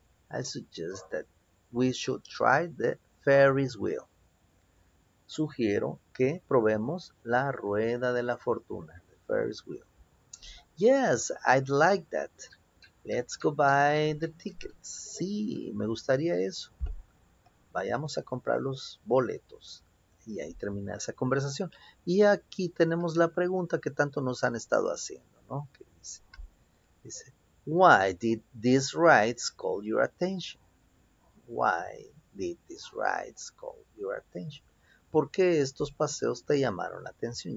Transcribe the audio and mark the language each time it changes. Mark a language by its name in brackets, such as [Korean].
[English] I suggest that we should try the Ferris wheel. [Spanish] Sugiero que probemos la rueda de la fortuna. [English] The Ferris wheel. Yes, I'd like that. Let's go buy the tickets. [Spanish] Sí, me gustaría eso. Vayamos a comprar los boletos. Y ahí termina esa conversación. Y aquí tenemos la pregunta que tanto nos han estado haciendo, ¿no? Que dice, [English] why did these rides call your attention? Why did these rides call your attention? [Spanish] ¿Por qué estos paseos te llamaron la atención?